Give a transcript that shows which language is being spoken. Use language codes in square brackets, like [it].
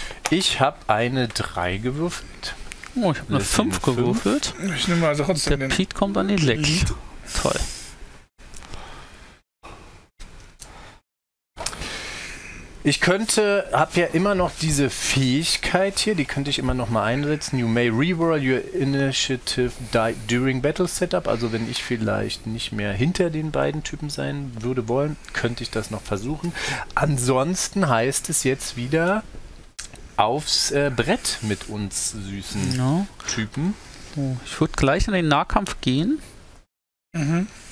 [de] Ich habe eine 3 gewürfelt. Oh, ich habe eine 5 gewürfelt. Ich nehme also trotzdem den. Pete kommt an die 6. Toll. Ich könnte, hab ja immer noch diese Fähigkeit hier, die könnte ich immer noch mal einsetzen. [en] You may reroll your initiative during battle setup. [de] Also wenn ich vielleicht nicht mehr hinter den beiden Typen sein würde wollen, könnte ich das noch versuchen. Ansonsten heißt es jetzt wieder aufs Brett mit uns süßen Typen. Ich würde gleich in den Nahkampf gehen. Mhm.